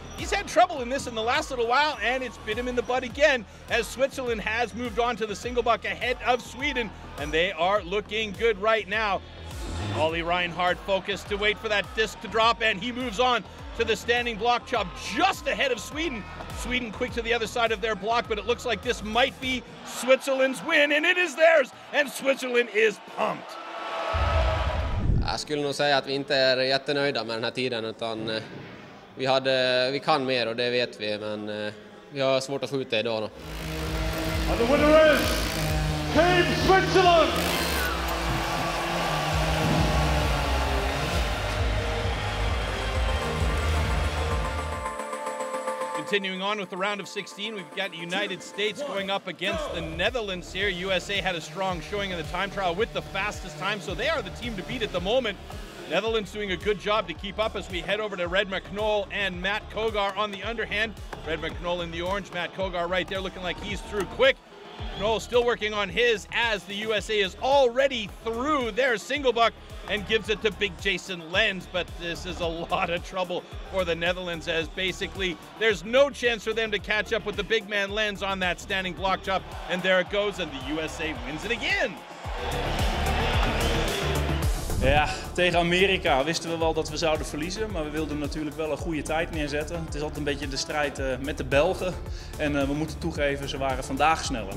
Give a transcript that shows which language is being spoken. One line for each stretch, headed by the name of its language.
English: He's had trouble in this in the last little while, and it's bit him in the butt again as Switzerland has moved on to the single buck ahead of Sweden, and they are looking good right now. Ollie Reinhardt focused to wait for that disc to drop, and he moves on to the standing block chop just ahead of Sweden. Sweden quick to the other side of their block, but it looks like this might be Switzerland's win, and it is theirs, and Switzerland is pumped.
Swedish: Jag skulle nog säga att vi inte är jättenöjda med den här tiden, utan vi kan mer och det vet vi, men vi har svårt att skjuta idag då.
English: And the winner is Team Switzerland! Continuing on with the round of 16, we've got United States going up against the Netherlands here. USA had a strong showing in the time trial with the fastest time, so they are the team to beat at the moment. Netherlands doing a good job to keep up as we head over to Red McNoll and Matt Kogar on the underhand. Red McNoll in the orange, Matt Kogar right there looking like he's through quick. McNoll still working on his as the USA is already through their single buck and gives it to big Jason Lenz, but this is a lot of trouble for the Netherlands as basically there's no chance for them to catch up with the big man Lenz on that standing block chop, and there it goes, and the USA wins it again.
Dutch: Ja, tegen Amerika wisten we wel dat we zouden verliezen, maar we wilden natuurlijk wel een goede tijd neerzetten. Het is altijd een beetje de strijd met de Belgen en we moeten toegeven, ze waren vandaag sneller.